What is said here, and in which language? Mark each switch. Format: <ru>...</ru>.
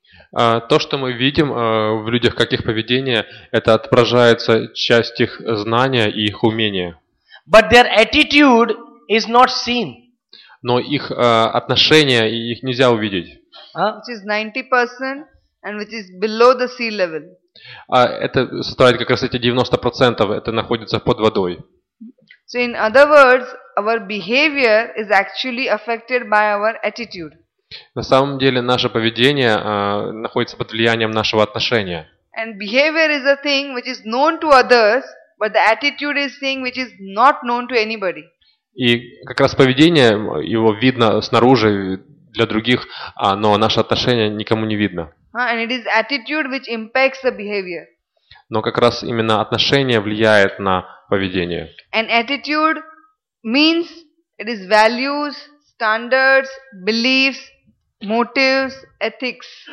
<ru>То, что мы видим в людях, как их поведение, это отражается часть их знания и их умения.</ru> <en>But their attitude is not seen.</en> <ru>Но их отношения, их нельзя увидеть.</ru> <en>Which is 90% and which is below the sea level.</en> <ru>Это составляет как раз эти 90%, это находится под водой.</ru> <en>So in other words, our behavior is actually affected by our attitude.</en> <ru>На самом деле наше поведение находится под влиянием нашего отношения.</ru> <en>And behavior is a thing which is known to others, but the attitude is thing which is not known to anybody.</en> <ru>И как раз поведение, его видно снаружи для других, но наше отношение никому не видно.</ru> <en>And it is attitude which impacts the behavior.</en> <ru>Но как раз именно отношение влияет на поведение.</ru> <en>And attitude means it is values, standards, beliefs, motives, ethics.</en>